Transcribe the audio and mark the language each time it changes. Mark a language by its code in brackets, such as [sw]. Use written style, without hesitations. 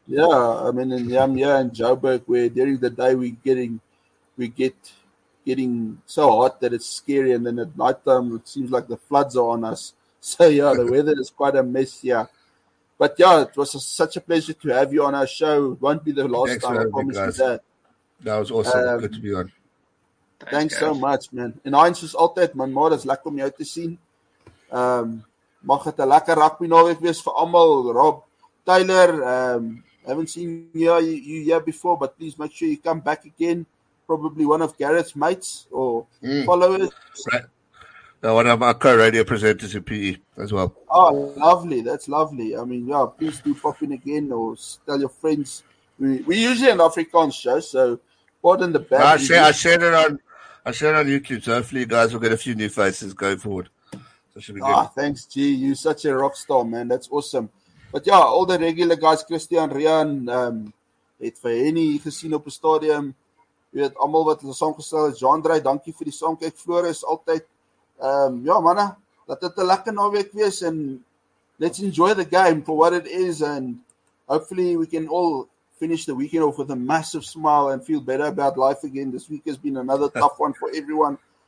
[en] Yeah, I mean, in Yamya and Joburg, where during the day we get so hot that it's scary, and then at night time it seems like the floods are on us. So yeah, the weather is quite a mess here. But yeah, it was such a pleasure to have you on our show. It won't be the last time, I promise you that. That was awesome. Good to be on. Thanks so much, man. [af] En Heinz is altijd, man, maar het is lekker om jou te zien. Mag het een lekker rugby naweek wees voor allemaal. [en] Rob, Tyler, haven't seen you here before, but please make sure you come back again. Probably one of Gareth's mates or followers. Right. No, one of my co-radio presenters in PE as well. Oh, lovely. That's lovely. I mean, yeah, please do pop in again or tell your friends. We're usually an Afrikaans show, so pardon the bad. I share it on YouTube, so hopefully you guys will get a few new faces going forward. Thanks, G. You're such a rock star, man. That's awesome. But yeah, all the regular guys, Christian, Rian, [af] het vir any gesien op 'n stadium. Jy weet, almal wat ons saamgestel het, Jean-Dre, dankie vir die saamkyk. Floris, altyd. Manne, laat dit 'n lekker naweek wees, [en] and let's enjoy the game for what it is, and hopefully we can all finish the weekend off with a massive smile and feel better about life again. This week has been another tough one for everyone.